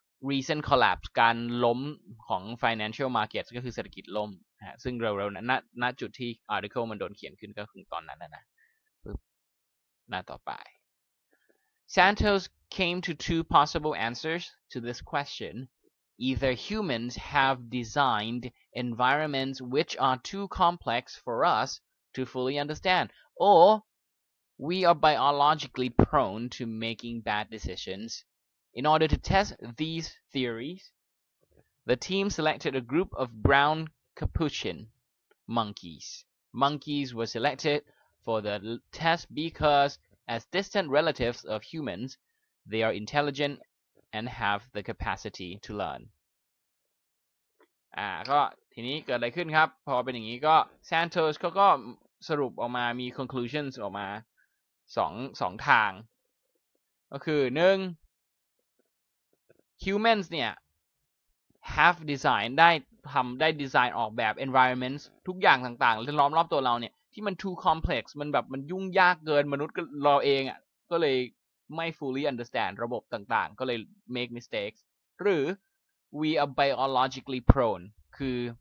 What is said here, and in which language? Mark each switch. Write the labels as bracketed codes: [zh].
[en] recent collapse [th] การล้มของ financial markets ก็คือเศรษฐกิจล้มฮะซึ่งเร็วๆนั้นณจุดที่ article มันโดนเขียนขึ้นก็คือตอนนั้นนะปึ๊บหน้าต่อไป [en] Santos came to two possible answers to this question either humans have designed environments which are too complex for us to fully understand orWe are biologically prone to making bad decisions. In order to test these theories, the team selected a group of brown capuchin monkeys. Monkeys were selected for the test because, as distant relatives of humans, they are intelligent and have the capacity to learn. [th] ก็ทีนี้เกิดอะไรขึ้นครับพอเป็นอย่างนี้ก็ Santos เขาก็สรุปออกมามี conclusions ออกมา สองทางก็คือ1 humans เนี่ย have design ได้ design ออกแบบ environments ทุกอย่างต่างๆล้อมรอบตัวเราเนี่ยที่มัน [en] too complex [th] มันแบบมันยุ่งยากเกินมนุษย์ก็เราเองอ่ะก็เลยไม่ [en] fully understand [th] ระบบต่างๆก็เลย [en] make mistakes [th] หรือ [en] we are biologically prone [th] คือ